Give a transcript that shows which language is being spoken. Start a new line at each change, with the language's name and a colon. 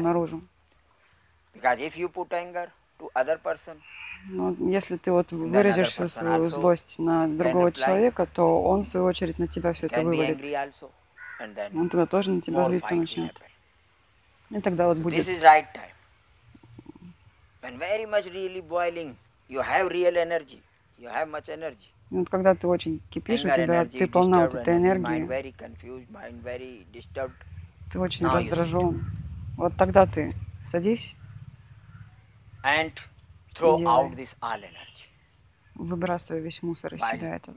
Russian: Наружу.
English: Because if you put anger, to other person,
Russian: ну, если ты вот выразишь всю свою злость на другого человека, то он, в свою очередь, на тебя все это вывалит. Он тогда тоже на тебя злиться начнет. И тогда вот будет.
English: This is right time. When very much really boiling, you have real energy. You have much energy.
Russian: И вот когда ты очень кипишь, у тебя
English: energy,
Russian: ты полна вот этой энергии.
English: Mind very confused, mind very disturbed.
Russian: Ты очень раздражен. Вот тогда ты садись.
English: And throw out this all energy.
Russian: Выбрасывай весь мусор из себя этот.